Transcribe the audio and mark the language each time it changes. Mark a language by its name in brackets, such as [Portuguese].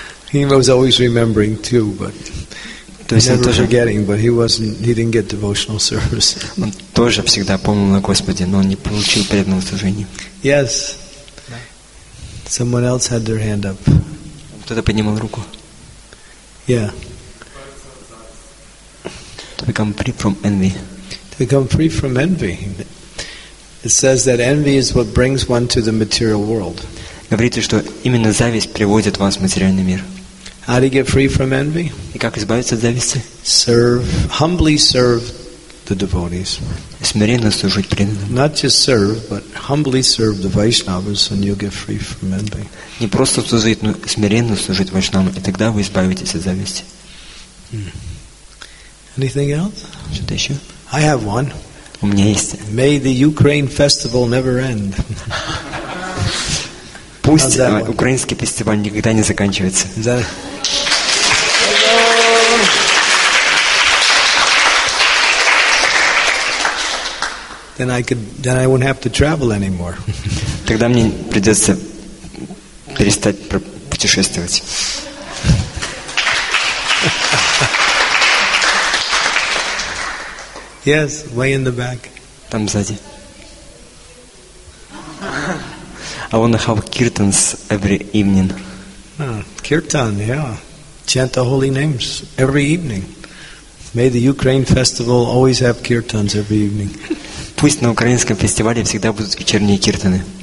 [English] He was always remembering too, but never forgetting. But he didn't get devotional service. [Russian] Он тоже всегда помнил о Господе, но он не получил преданного служения. [English] Yes. Someone else had their hand up. [Russian] Кто-то поднимал руку. [English] Yeah. To become free from envy. To become free from envy. It says that envy is what brings one to the material world. [Russian] Говорите, что именно зависть приводит вас в материальный мир. [English] How to get free from envy? [Russian] И как избавиться от зависти? [English] Serve, humbly serve the devotees. [Russian] Смиренно служить преданным. [English] Not just serve, but humbly serve the Vaishnavas, and you'll get free from envy. [Russian] Не просто служить, но смиренно служить Вайшнавам, и тогда вы избавитесь от зависти. [English] Anything else? [Russian] Что-то еще? [English] I have one. [Russian] У меня есть. [English] May the Ukraine festival never end. [Russian] Пусть украинский фестиваль никогда не заканчивается. Да. [English] Then I won't have to travel anymore. [Russian] Тогда мне придется перестать путешествовать. [English] Yes, way in the back. [Russian] Там сзади. [English] I want to have kirtans every evening. Kirtan, yeah. Chant the holy names every evening. May the Ukraine festival always have kirtans every evening. [Russian] Пусть на украинском фестивале всегда будут вечерние киртаны.